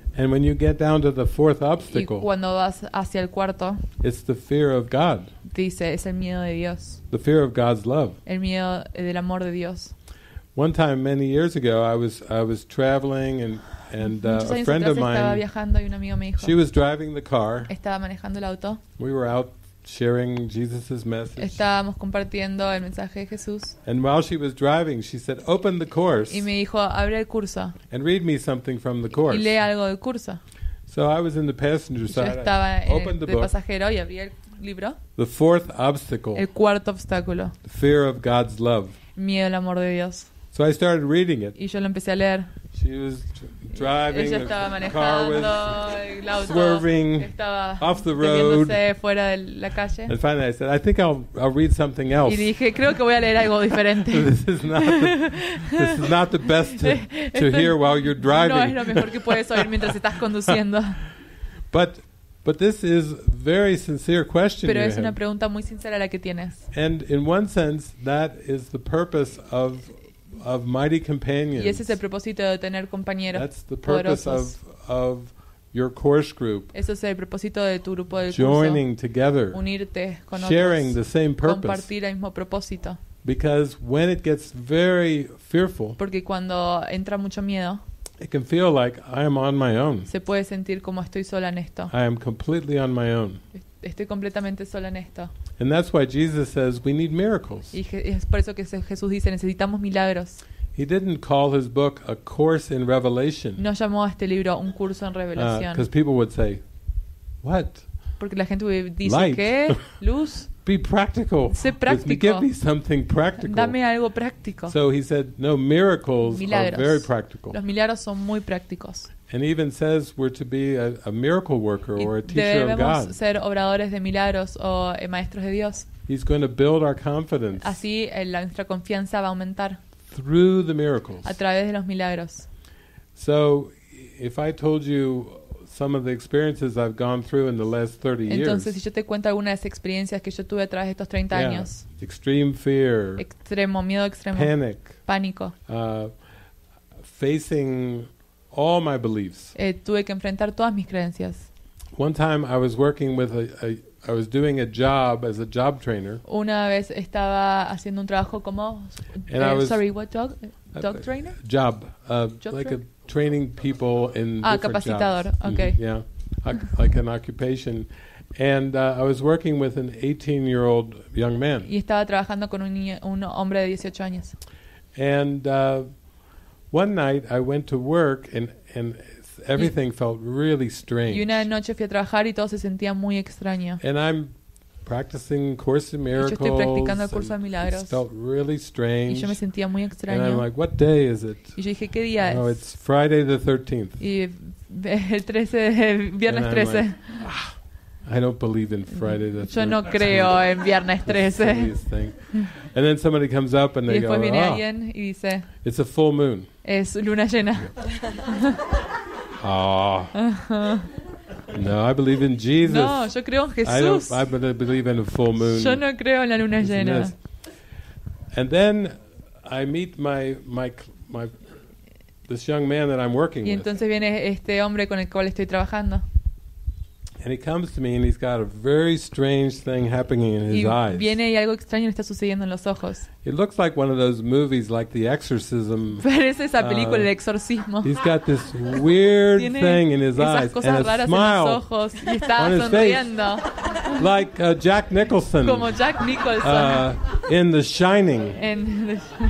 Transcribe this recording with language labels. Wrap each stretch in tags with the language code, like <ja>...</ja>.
<en>And when you get down to the fourth obstacle,</en> <es>y cuando vas hacia el cuarto,</es> <en>it's the fear of God.</en> <es>Dice, es el miedo de Dios.</es> <en>The fear of God's love.</en> <es>El miedo del amor de Dios.</es> <en>One time many years ago I was traveling and a friend of mine</en> <es>estaba viajando y un amigo me dijo,</es> <en>she was driving the car.</en> <es>Estaba manejando el auto.</es> <en>We were out sharing Jesus's message.</en> <es>Estábamos compartiendo el mensaje de Jesús.</es> <en>And while she was driving, she said, "Open the course."</en> <es>Y me dijo, "Abre el curso."</es> <en>And read me something from the course.</en> <es>Y lee algo del curso.</es> <en>So I was in the passenger side.</en> <es>Yo estaba en el pasajero y abrí el libro.</es> <en>The fourth obstacle.</en> <es>El cuarto obstáculo.</es> <en>The fear of God's love.</en> <es>Miedo al amor de Dios.</es> <en>So I started reading it.</en> <es>Y yo lo empecé a leer.</es> <en>She was driving.</en> <es>Ella estaba manejando el auto.</es> <en>Swerving.</en> <es>Estaba</es> <en>off the road.</en> <es>Teniéndose fuera de la calle.</es> <en>And finally I said, I think I'll read something else.</en> <es>Y dije, creo que voy a leer algo diferente.</es> <en>this is not the best to hear while you're driving.</en> <es>No es lo mejor que puedes oír mientras estás conduciendo.</es> <en>But this is very sincere question.</en> <es>Pero es una pregunta muy sincera la que tienes.</es> <en>And in one sense, that is the purpose of mighty companions.</en> <es>Y ese es el propósito de tener compañeros.</es> <en>That's the purpose of your course group.</en> <es>Eso es el propósito de tu grupo de curso.</es> <en>Joining together.</en> <es>Unirte con otros.</es> <en>Sharing the same purpose.</en> <es>Compartir el mismo propósito.</es> <en>Because when it gets very fearful.</en> <es>Porque cuando entra mucho miedo.</es> <en>It can feel like I am on my own.</en> <es>Se puede sentir como estoy sola en esto.</es> <en>I am completely on my own.</en> <es>Estoy completamente sola en esto.</es> <en>And that's why Jesus says we need miracles.</en> <es>Y es por eso que Jesús dice necesitamos milagros.</es> <en>He didn't call his book a course in revelation.</en> <es>No llamó a este libro un curso en revelación.</es> <en>Because people would say, what?</en> <es>Porque la gente dice</es> <en>light.</en> <es>¿Qué? Luz.</es> <en>Be practical.</en> <es>Sé práctico.</es> <en>Give me something practical.</en> <es>Dame algo práctico.</es> <en>So he said, no, miracles</en> <es>milagros.</es> <en>Are very practical.</en> <es>Los milagros son muy prácticos.</es> <en>And even says we're to be a miracle worker or a teacher of God.</en> <es>Debemos ser obradores de milagros o maestros de Dios.</es> <en>He's going to build our confidence.</en> <es>Así nuestra confianza va a aumentar.</es> <en>Through the miracles.</en> <es>A través de los milagros.</es> <en>So, if I told you some of the experiences I've gone through in the last 30 years.</en> <es>Entonces, si yo te cuento algunas de las experiencias que yo tuve a través de estos 30 años.</es> <en>Extreme fear.</en> <es>Extremo miedo extremo.</es> <en>Panic.</en> <es>Pánico.</es> <en>Facing all my beliefs.</en> <es>Tuve que enfrentar todas mis creencias.</es> <en>One time I was working with I was doing a job as a job trainer.</en> <es>Una vez estaba haciendo un trabajo como</es> <en>dog trainer? Job. Training people in different</en> <es>capacitador.</es> <en>Jobs. Okay. Yeah. like an occupation. And I was working with an 18-year-old young man.</en> <es>Y estaba trabajando con un hombre de 18 años.</es> <en>And one night I went to work and everything felt really strange.</en> <es>Y una noche fui a trabajar y todo se sentía muy extraño.</es> <en>And I'm practicing Course in Miracles.</en> <es>Yo estoy practicando el curso de milagros.</es> <en>It felt really strange.</en> <es>Y yo me sentía muy extraño.</es> <en>And I'm like, what day is it?</en> <es>Y yo dije, ¿qué día es?</es> <en>Oh, it's Friday the 13th.</en> <es>Y el 13, viernes 13.</es> <en>And I'm like, I don't believe in Friday the 13th.</en> <es>Yo no creo en viernes 13.</es> <en>And then somebody comes up and they go,</en> <es>viene alguien y dice,</es> <en>it's a full moon.</en> <es>Es luna llena.</es> <en>Ah. Uh-huh. No, I believe in Jesus.</en> <es>No, yo creo en Jesús.</es> <en>I don't believe in a full moon.</en> <es>Yo no creo en la luna llena.</es> <en>And then I meet my this young man that I'm working with.</en> <es>Y entonces viene este hombre con el cual estoy trabajando.</es> <en>And he comes to me and he's got a very strange thing happening in his eyes.</en> <es>Y viene y algo extraño está sucediendo en los ojos.</es> <en>It looks like one of those movies like The Exorcism.</en> <es>Parece esa película El Exorcismo.</es> <en>He's got this weird thing in his eyes and a smile</en> <es>en los ojos y está sonriendo.</es> <en>Like Jack Nicholson.</en> <es>Como Jack Nicholson.</es> <en>In The Shining.</en>